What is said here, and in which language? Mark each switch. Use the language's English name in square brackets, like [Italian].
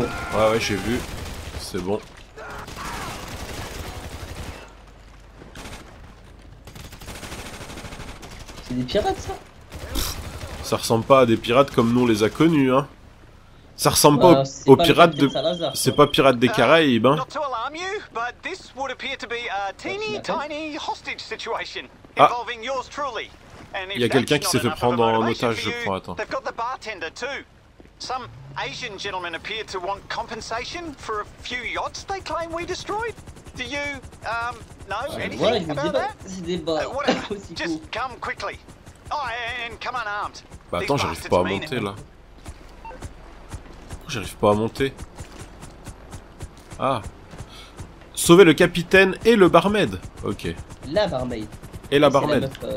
[French] Ouais, ouais, j'ai vu. C'est bon. C'est des pirates, ça? Ça ressemble pas à des pirates comme nous on les a connus, hein. Ça ressemble pas aux pirates de... C'est pas pirates des Caraïbes, hein. [English] Not to alarm you, but this would appear to be a teeny tiny hostage situation involving yours truly. [French] Il y a quelqu'un qui s'est fait prendre en otage, je crois. Attends. [English] They've got the bartender too. Some Asian gentlemen appear to want compensation for a few yachts they claim we destroyed. Do you know anything about that? Just come quickly. Oh, and come unarmed. [French] Bah attends, j'arrive pas à monter là. J'arrive pas à monter. Ah. Sauver le capitaine et le barmaid. Ok. La barmaid. Et la barmaid.